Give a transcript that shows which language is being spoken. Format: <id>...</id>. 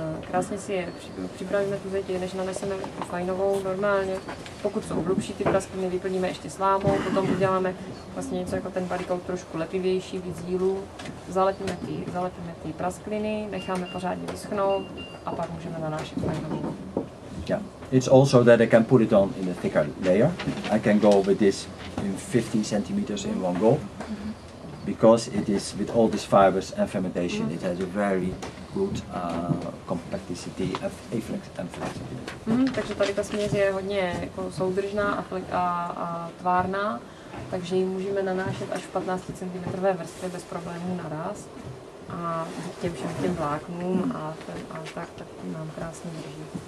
<cs>Krásně si je připravíme tu zeď, než naneseme fajnovou normálně. Pokud jsou hlubší, ty praskliny vyplníme ještě slámou, potom uděláme vlastně něco jako ten body coat trošku lepivější, víc dílů. Zalepíme ty praskliny, necháme pořádně vyschnout a pak můžeme nanášet fajnovou.</cs> <en>Yeah. It's also that I can put it on in a thicker layer. I can go with this in 15 centimeters in one go, because it is with all these fibers and fermentation, it has a very good compacticity of efflux and flexibility.</en> <cs>Takže tady ta směs je hodně jako soudržná a tvárná, takže ji můžeme nanášet až v 15 cm vrstvě bez problémů naraz a těm všem vláknům a tak nám krásně drží.</cs>